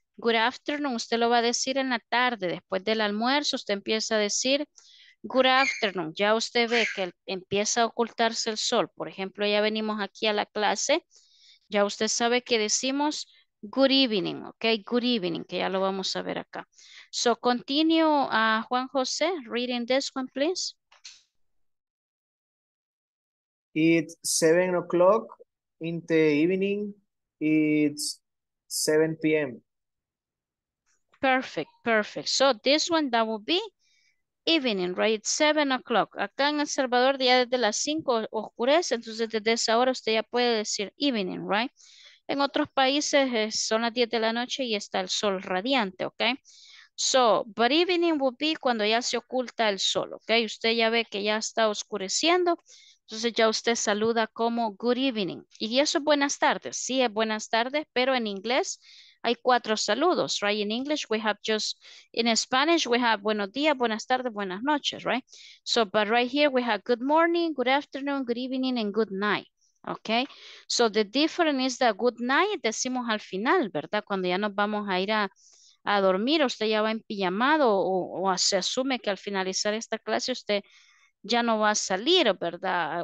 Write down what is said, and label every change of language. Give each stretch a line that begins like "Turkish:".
English: Good afternoon,
Spanish: usted lo va a decir en la tarde, después del almuerzo, usted empieza a decir
English: good afternoon.
Spanish: Ya usted ve que empieza a ocultarse el sol. Por ejemplo, ya venimos aquí a la clase, ya usted sabe que decimos
English: good evening,
Spanish: ok?
English: Good evening,
Spanish: que ya lo vamos a ver acá.
English: So, continue, Juan José, reading this one, please. It's 7 o'clock in the evening. It's 7 p.m. Perfect, perfect. So this one, that will be evening, right? It's 7 o'clock.
Spanish: Acá en El Salvador, ya desde las 5 oscurece. Entonces, desde esa hora, usted ya puede decir evening,
English: right?
Spanish: En otros países, son las 10 de la noche y está el sol radiante, ¿ok?
English: So, but evening will be
Spanish: cuando ya se oculta el sol, ¿ok? Usted ya ve que ya está oscureciendo. Entonces ya usted saluda como
English: good evening.
Spanish: Y eso es buenas tardes. Sí, es buenas tardes, pero en inglés hay 4 saludos,
English: right? In English, we have just, in Spanish, we have
Spanish: buenos días, buenas tardes, buenas noches,
English: right? So, but right here, we have good morning, good afternoon, good evening, and good night, okay? So, the difference is that good night
Spanish: decimos al final, ¿verdad? Cuando ya nos vamos a ir a dormir, usted ya va en pijamado o se asume que al finalizar esta clase usted ya no va a salir, ¿verdad?